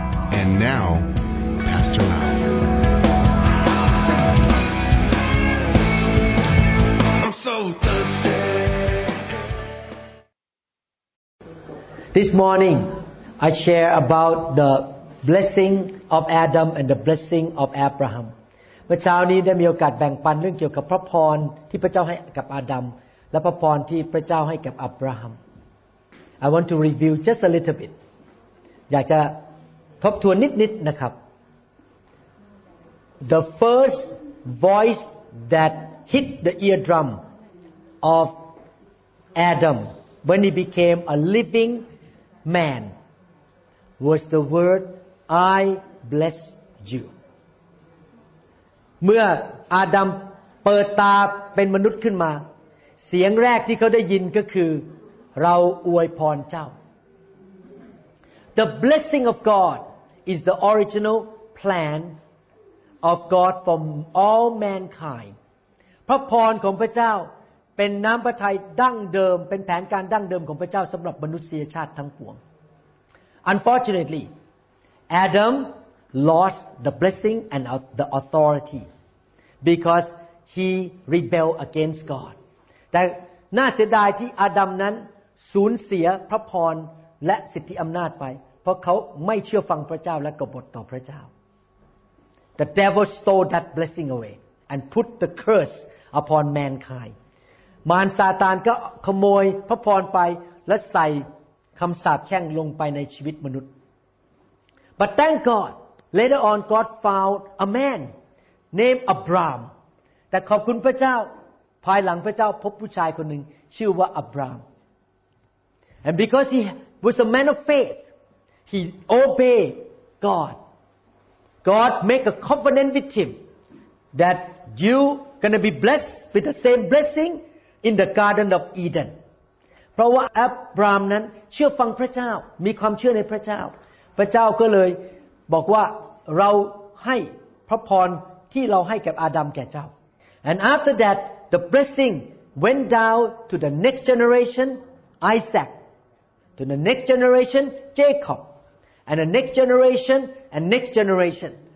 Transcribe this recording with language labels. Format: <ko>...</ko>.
<en>And now, Pastor Lau. I'm so thirsty. This morning, I share about the blessing of Adam and the blessing of Abraham.</en> <th>เมื่อเช้านี้ได้มีโอกาสแบ่งปันเรื่องเกี่ยวกับพระพรที่พระเจ้าให้กับอาดัมและพระพรที่พระเจ้าให้กับอับราฮัม</th> <en>I want to review just a little bit</en> <th>อยากจะทบทวนนิดๆ นะครับ</th> <en>The first voice that hit the eardrum of Adam when he became a living man was the word I bless you</en> <th>เมื่ออาดัมเปิดตาเป็นมนุษย์ขึ้นมาเสียงแรกที่เขาได้ยินก็คือเราอวยพรเจ้า</th> <en>The blessing of God is the original plan of God for all mankind</en> <th>พระพรของพระเจ้าเป็นน้ำพระทัยดั้งเดิมเป็นแผนการดั้งเดิมของพระเจ้าสำหรับมนุษยชาติทั้งปวง</th> <en>Unfortunately Adamlost the blessing and the authority because he rebelled against God</en> <th>แต่น่าเสียดายที่อาดัมนั้นสูญเสียพระพรและสิทธิอำนาจไปเพราะเขาไม่เชื่อฟังพระเจ้าและกบฏต่อพระเจ้า</th> <en>The devil stole that blessing away and put the curse upon mankind</en> <th>มารซาตานก็ขโมยพระพรไปและใส่คำสาปแช่งลงไปในชีวิตมนุษย์</th> <en>But thank God, later on God found a man named Abraham.</en> <th>แต่ขอบคุณพระเจ้าภายหลังพระเจ้าพบผู้ชายคนหนึ่งชื่อว่า Abraham.</th> <en>And because he was a man of faith, he obeyed God. God made a covenant with him that you gonna be blessed with the same blessing in the Garden of Eden.</en> <th>เพราะว่า Abraham นั้นเชื่อฟังพระเจ้ามีความเชื่อในพระเจ้าพระเจ้าก็เลยบอกว่าเราให้พระพรที่เราให้กับอาดัมแก่เจ้า</th> <en>And after that the blessing went down to the next generation Isaac to the next generation Jacob and the next generation and next generation</en>